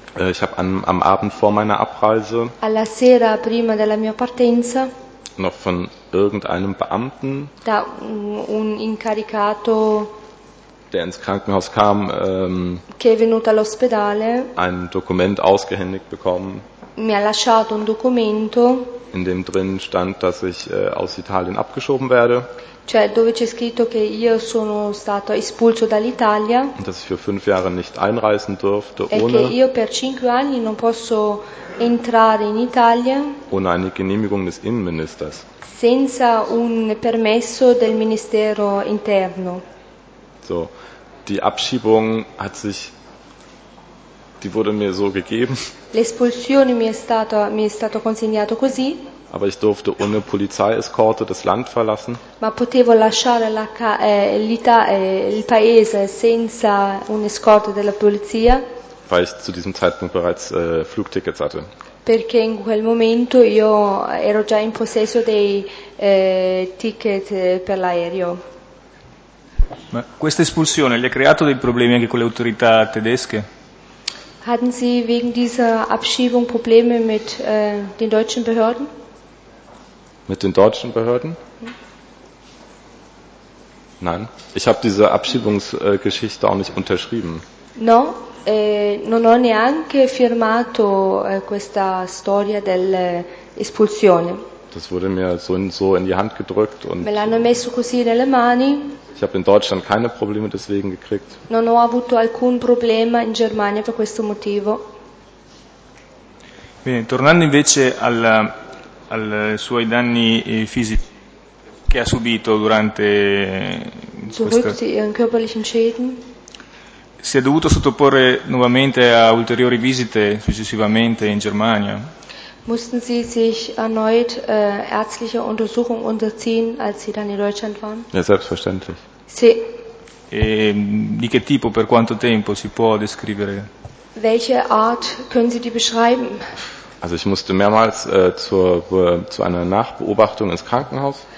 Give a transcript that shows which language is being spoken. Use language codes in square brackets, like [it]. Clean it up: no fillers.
[de] Ich habe am Abend vor meiner Abreise. [it] Alla sera prima della mia partenza. [de] Noch von irgendeinem Beamten. [it] Da un incaricato. [de] Der ins Krankenhaus kam, [it] che è venuto all'ospedale, [de] ein Dokument ausgehändigt bekommen, [it] mi ha lasciato un documento, [de] in dem drin stand, dass ich aus Italien abgeschoben werde, [it] cioè dove c'è scritto che io sono stato espulso dall'Italia, [de] und dass ich für 5 Jahre nicht einreisen durfte, [it] e [de] ohne, [it] che io per 5 anni non posso entrare in Italia, [de] ohne eine Genehmigung des Innenministers, [it] senza un permesso del Ministero Interno. [de] So, die Abschiebung hat sich, die wurde mir so gegeben. [it] L'espulsione mi è stato consegnato così. [de] Aber ich durfte ohne Polizeieskorte das Land verlassen. [it] Ma potevo lasciare il paese senza un escorto della polizia. [de] Weil ich zu diesem Zeitpunkt bereits Flugtickets hatte. [it] Perché in quel momento io ero già in possesso dei ticket per l'aereo. Ma questa espulsione le ha creato dei problemi anche con le autorità tedesche? [de] Hatten Sie wegen dieser Abschiebung Probleme mit den deutschen Behörden? Mit den deutschen Behörden? Hm. Nein, ich habe diese Abschiebungsgeschichte auch nicht unterschrieben. [it] No, non ho neanche firmato questa storia dell'espulsione. [de] Das wurde mir so in die Hand gedrückt und [it] me l'hanno messo così nelle mani. [de] Ich habe in Deutschland keine Probleme deswegen gekriegt. [it] Non ho avuto alcun problema in Germania per questo motivo. Bene, tornando invece al suoi danni fisici che ha subito durante questa. Si è dovuto sottoporre nuovamente a ulteriori visite successivamente in Germania. [de] Mussten Sie sich erneut ärztliche Untersuchung unterziehen, als Sie dann in Deutschland waren? Ja, selbstverständlich. [it] Sì. E di che tipo, per quanto tempo, si può descrivere? [de] Welche Art können Sie die beschreiben? Also ich musste mehrmals zu einer Nachbeobachtung ins Krankenhaus.